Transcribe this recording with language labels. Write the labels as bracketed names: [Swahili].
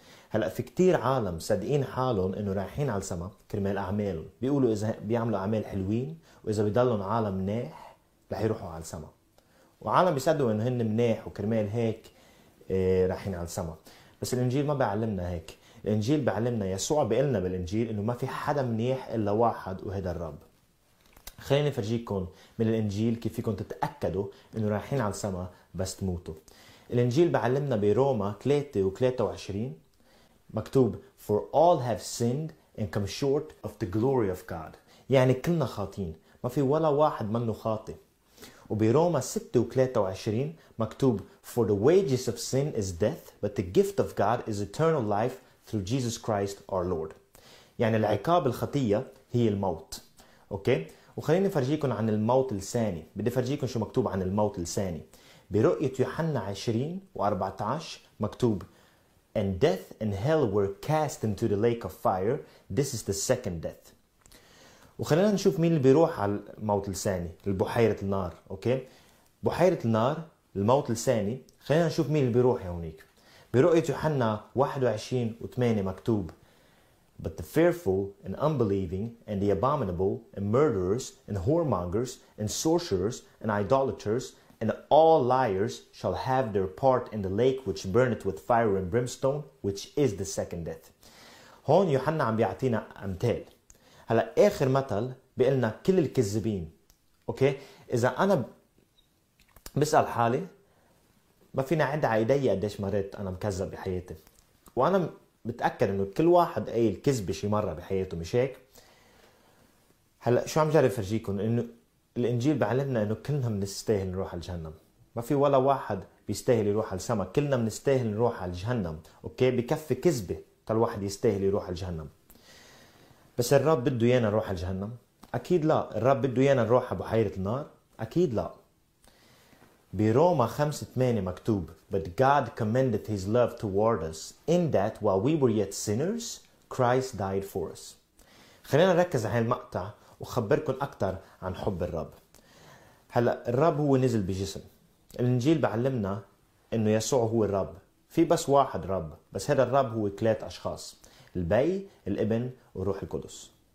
[Arabic] هلا في كتير عالم صادقين حالهم إنه رايحين على السما كرمال أعمالهم، بيقولوا إذا بيعملوا أعمال حلوين وإذا بيضلهم عالم منيح رح يروحوا على السما، وعالم بيصدقوا إنه هن منيح وكرمال هيك رايحين على السما. بس الإنجيل ما بيعلمنا هيك، الإنجيل بيعلمنا، يسوع بيقلنا بالإنجيل إنه ما في حدا منيح إلا واحد وهذا الرب. خليني أفرجيكم من الإنجيل كيف فيكم تتأكدوا إنه رايحين على السما بس تموتوا. الإنجيل بعلمنا بروما 3:23 مكتوب [English] For all have sinned and come short of the glory of God. [Arabic] يعني كلنا خاطئين، ما في ولا واحد منه خاطئ. وبروما 6:23 مكتوب [English] For the wages of sin is death, but the gift of God is eternal life through Jesus Christ our Lord. [Arabic] يعني العقاب الخطية هي الموت. أوكي؟ وخليني أفرجيكم عن الموت الثاني. بدي أفرجيكم شو مكتوب عن الموت الثاني. برؤية يوحنا 20:14 مكتوب [English] And death and hell were cast into the lake of fire. This is the second death. [Arabic] وخلينا نشوف مين اللي بيروح على الموت الثاني، البحيرة النار. أوكي؟ بحيرة النار، الموت الثاني، خلينا نشوف مين اللي بيروح هونيك. برؤية يوحنا 21:8 مكتوب [English] But the fearful and unbelieving and the abominable and murderers and whoremongers and sorcerers and idolaters and all liars shall have their part in the lake which burneth with fire and brimstone which is the second death. [Arabic] هون يوحنا عم بيعطينا أمثال. هلا آخر مثل بيقلنا كل الكذبين. أوكي؟ إذا أنا بسأل حالي ما فينا عد على إيدي قديش مريت أنا مكذب بحياتي. وأنا بتأكد انه كل واحد قايل كذب شي مرة بحياته مش هيك. هلا شو عم جرب فرجيكم انه الانجيل بعلمنا انه كلنا منستاهل نروح على الجهنم. ما في ولا واحد بيستاهل يروح على السما، كلنا منستاهل نروح على الجهنم. اوكي، بكفي كذبة تل واحد يستاهل يروح على الجهنم. بس الرب بده ايانا نروح على الجهنم؟ اكيد لا. الرب بده ايانا نروح على بحيرة النار؟ اكيد لا. بروما 5:8 مكتوب [English] But God commendeth his love toward us in that while we were yet sinners Christ died for us. [Arabic] خلينا نركز على هالمقطع وخبركم أكثر عن حب الرب. هلا الرب هو نزل بجسم. الإنجيل بعلمنا إنه يسوع هو الرب. في بس واحد رب، بس هذا الرب هو ثلاث أشخاص، البي، الإبن، والروح القدس.